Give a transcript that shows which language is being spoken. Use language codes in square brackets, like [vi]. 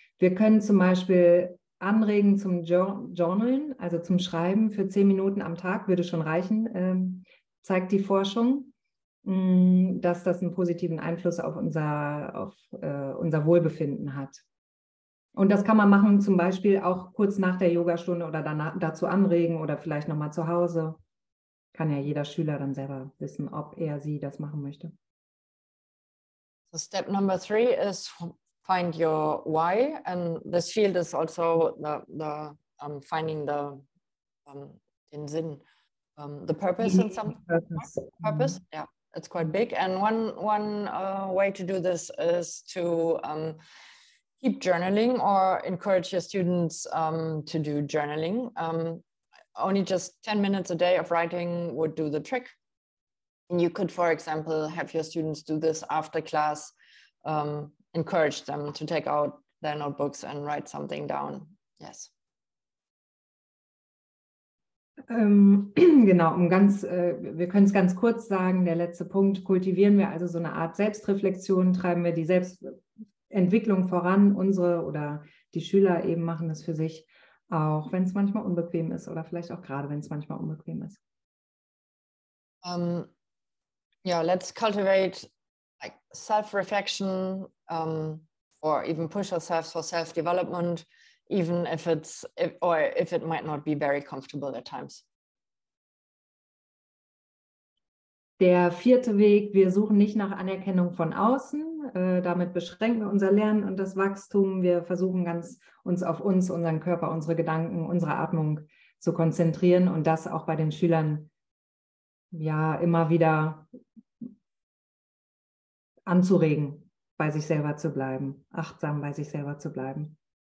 [de] Wir können zum Beispiel anregen zum Journalen, also zum Schreiben für 10 Minuten am Tag, würde schon reichen, zeigt die Forschung, dass das einen positiven Einfluss auf unser Wohlbefinden hat. Und das kann man machen, zum Beispiel auch kurz nach der Yogastunde oder danach dazu anregen oder vielleicht nochmal zu Hause. Kann ja jeder Schüler dann selber wissen, ob er sie das machen möchte. [en] So step number three is find your why. And this field is also finding the [de] den Sinn, [en] the purpose in some purpose. Purpose, yeah, it's quite big. And one way to do this is to keep journaling or encourage your students to do journaling. Only just 10 minutes a day of writing would do the trick. And you could, for example, have your students do this after class, encourage them to take out their notebooks and write something down. Yes. [de] Genau, um ganz, wir können es ganz kurz sagen, der letzte Punkt, kultivieren wir also so eine Art Selbstreflexion, treiben wir die Selbstentwicklung voran, unsere oder die Schüler eben machen es für sich, auch wenn es manchmal unbequem ist oder vielleicht auch gerade, wenn es manchmal unbequem ist. [en] Let's cultivate like self-reflection or even push ourselves for self-development. Even if it's, if it might not be very comfortable at times. [de] Der vierte Weg, wir suchen nicht nach Anerkennung von außen. Damit beschränken wir unser Lernen und das Wachstum. Wir versuchen ganz, uns auf uns, unseren Körper, unsere Gedanken, unsere Atmung zu konzentrieren und das auch bei den Schülern ja immer wieder anzuregen, bei sich selber zu bleiben, achtsam bei sich selber zu bleiben.